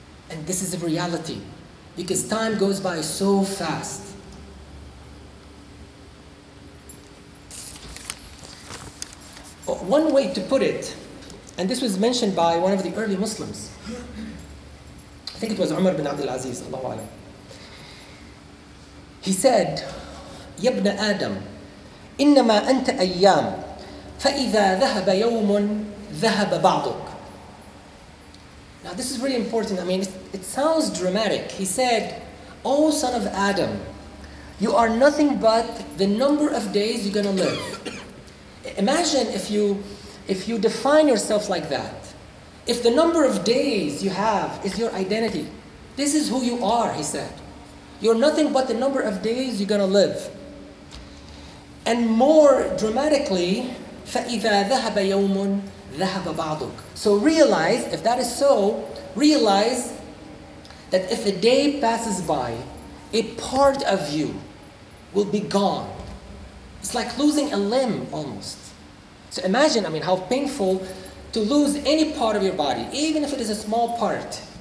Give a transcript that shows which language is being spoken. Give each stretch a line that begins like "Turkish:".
English: And this is a reality, because time goes by so fast. One way to put it, and this was mentioned by one of the early Muslims. I think it was Umar bin Abdul Aziz, Allahu A'lam.
Arabic: He said, يَبْنَ آدَمْ إِنَّمَا أَنْتَ أَيَّامٌ فَإِذَا ذَهَبَ يَوْمٌ ذَهَبَ بَعْضُكَ.
English: Now this is really important. I mean, it sounds dramatic. He said, O son of Adam, you are nothing but the number of days you're going to live. Imagine if you define yourself like that. If the number of days you have is your identity, this is who you are, he said. You're nothing but the number of days you're going to live. And more dramatically,
Arabic: فَإِذَا ذَهَبَ يَوْمٌ ذَهَبَ بَعْضُكَ.
English: So realize, if that is so, realize that if a day passes by, a part of you will be gone. It's like losing a limb almost. So imagine, I mean, how painful to lose any part of your body, even if it is a small part.